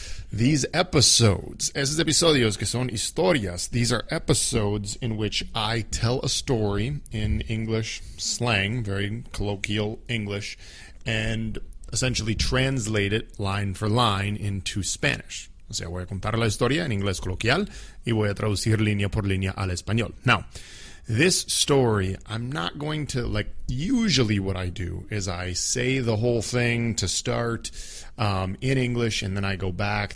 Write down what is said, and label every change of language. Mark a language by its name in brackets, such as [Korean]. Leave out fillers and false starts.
[English] These episodes, [Spanish] esos episodios que son historias, [English] these are episodes in which I tell a story in English slang, very colloquial English, and essentially translate it line for line into Spanish. [Spanish] O sea, voy a contar la historia en inglés coloquial y voy a traducir línea por línea al español. [English] Now, this story, I'm not going to, like, usually what I do is I say the whole thing to start in English and then I go back.